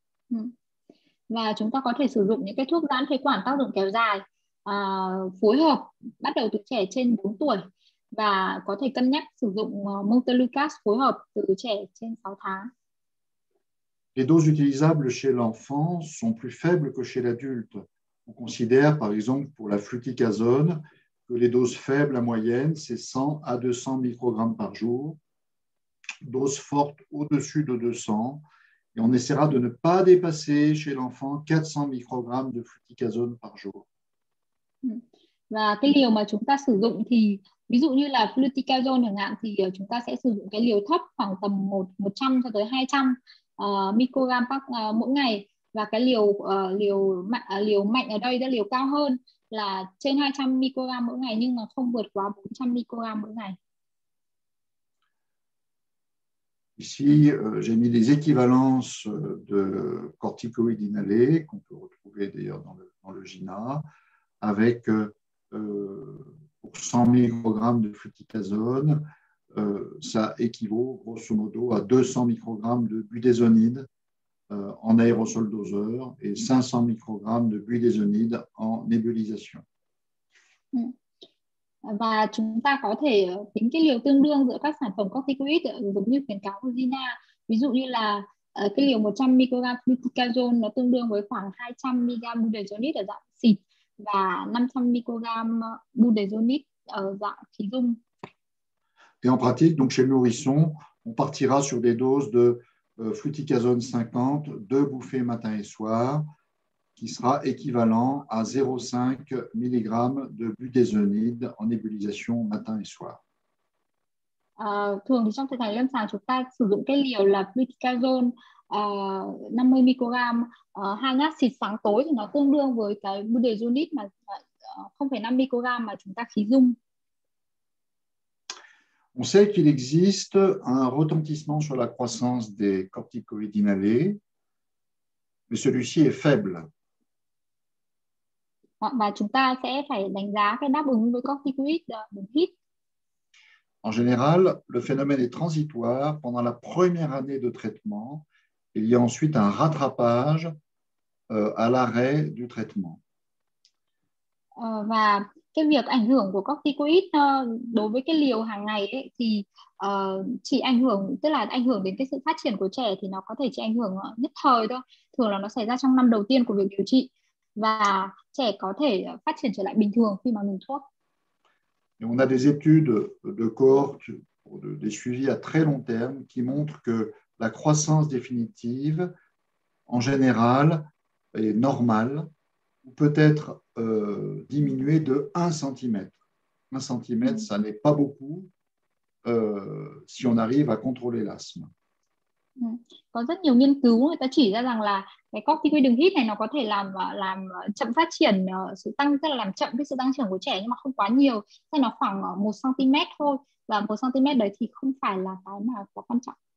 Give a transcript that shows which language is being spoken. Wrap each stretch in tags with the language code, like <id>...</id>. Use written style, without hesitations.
<vi>Chúng ta có thể sử dụng những cái thuốc giãn phế quản tác dụng kéo dài, phối hợp bắt đầu từ trẻ trên 4 tuổi, và có thể cân nhắc sử dụng Montelukast phối hợp từ trẻ trên 6 tháng.</vi> <fr>Les doses utilisables chez l'enfant sont plus faibles que chez l'adulte. On considère, par exemple, pour la fluticasone, que les doses faibles à moyenne, c'est 100 à 200 microgrammes par jour. Doses fortes au-dessus de 200. Et on essaiera de ne pas dépasser chez l'enfant 400 microgrammes de fluticasone par jour.</fr> <vi>Và cái liều mà chúng ta sử dụng thì ví dụ như là fluticasone chẳng hạn thì chúng ta sẽ sử dụng cái liều thấp khoảng tầm 100 cho tới 200 microgram mỗi ngày, và cái liều liều mạnh ở đây, cái liều cao hơn là trên 200 microgram mỗi ngày nhưng mà không vượt quá 400 microgram mỗi ngày.</vi> <fr>Ici, j'ai mis les équivalences de corticoïdes inhalés, qu'on peut retrouver d'ailleurs dans le GINA, avec pour 100 microgrammes de fluticasone, ça équivaut grosso modo à 200 microgrammes de budesonide en aérosol doseur et 500 microgrammes de budesonide en nébulisation.</fr> <vi>Và chúng ta có thể tính cái liều tương đương giữa các sản phẩm corticoid giống như khuyến cáo của Gina. Ví dụ như là cái liều 100 mg fluticasone nó tương đương với khoảng 200 mg budesonide ở dạng xịt và 500 mg budesonide ở dạng khí dung.</vi> <fr>Et en pratique, donc chez le nourrisson, on partira sur des doses de fluticasone 50, deux bouffées matin et soir, qui sera équivalent à 0,5 mg de budesonide en nébulisation matin et soir.</fr> <vi>Thường thì trong thực hành lâm sàng chúng ta sử dụng cái liều là fluticasone 50 mg hai ngát xịt sáng tối thì nó tương đương với cái budesonide mà 0,5 mg mà chúng ta khí dung.</vi> <fr>On sait qu'il existe un retentissement sur la croissance des corticoïdes inhalés, mais celui-ci est faible.</fr> <vi>Và chúng ta sẽ phải đánh giá cái đáp ứng với corticoïdes đường hít.</vi> <fr>En général, le phénomène est transitoire pendant la première année de traitement. Il y a ensuite un rattrapage à l'arrêt du traitement.</fr> <vi>Và cái việc ảnh hưởng của corticoïdes đối với cái liều hàng ngày ấy, thì chỉ ảnh hưởng, tức là ảnh hưởng đến cái sự phát triển của trẻ thì nó có thể chỉ ảnh hưởng nhất thời thôi. Thường là nó xảy ra trong năm đầu tiên của việc điều trị. Và trẻ có thể phát triển trở lại bình thường khi mà ngừng thuốc.</vi> <fr>Et on a des études de cohorte, des suivis à très long terme qui montrent que la croissance définitive, en général, est normale ou peut-être diminuée de 1 cm. 1 cm, ça n'est pas beaucoup si on arrive à contrôler l'asthme.</fr> <vi>Có rất nhiều nghiên cứu người ta chỉ ra rằng là cái corticoid đường hít này nó có thể làm chậm phát triển sự tăng, tức là làm chậm cái sự tăng trưởng của trẻ nhưng mà không quá nhiều, nên nó khoảng 1 cm thôi, và 1 cm đấy thì không phải là cái mà quá quan trọng.</vi>